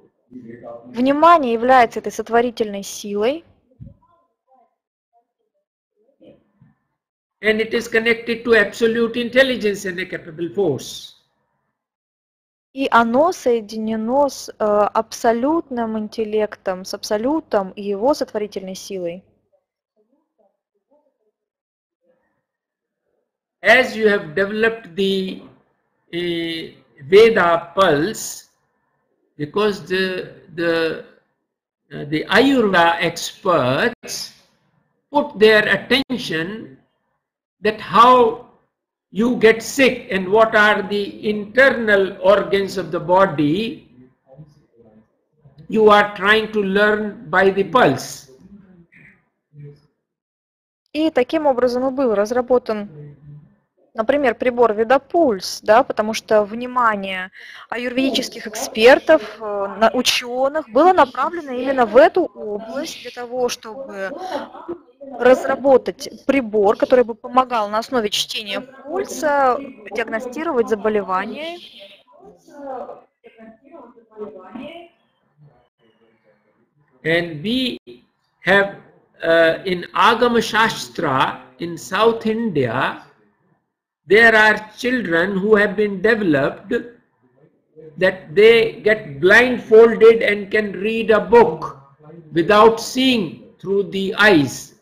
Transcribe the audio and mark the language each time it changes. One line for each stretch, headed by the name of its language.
Russian: Внимание является этой сотворительной силой.
English: And it is connected to absolute intelligence and a capable force.
Russian: И оно соединено с абсолютным интеллектом, с абсолютом и его сотворительной силой.
English: As you have developed the Veda pulse, because the Ayurveda experts put their attention that how you get sick and what are the internal organs of the body, you are trying to learn by the pulse.
Russian: И таким образом был разработан, например, прибор Ведапульс, да, потому что внимание аюрведических экспертов, ученых, было направлено именно в эту область для того, чтобы разработать прибор, который бы помогал на основе чтения пульса диагностировать заболевания.
English: And we have in Agama Shastra in South India, there are children who have been developed that they get blindfolded and can read a book without seeing through the eyes.